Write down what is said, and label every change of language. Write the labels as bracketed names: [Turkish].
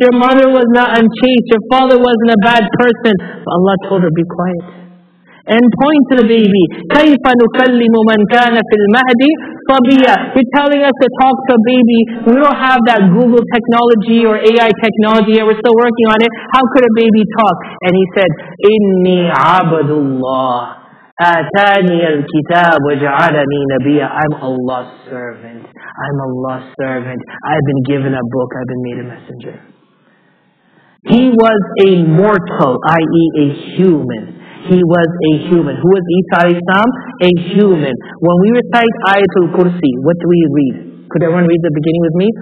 [English] Your mother was not unchaste. Your father wasn't a bad person. But Allah told her, be quiet. And point to the baby. [Arabic] كَيْفَ نُكَلِّمُ مَنْ كَانَ فِي الْمَهْدِ صَبِيًّا. [English] You're telling us to talk to a baby. We don't have that Google technology or AI technology yet. We're still working on it. How could a baby talk? And he said, [Arabic] إِنِّي عَبَدُ اللَّهِ أتاني الكتاب وجعلني نبيا. [English] I'm Allah's servant. I'm Allah's servant. I've been given a book. I've been made a messenger. He was a mortal, i.e. a human. He was a human. Who was Isa alayhi salam? A human. When we recite Ayatul Kursi, what do we read? Could everyone read the beginning with me?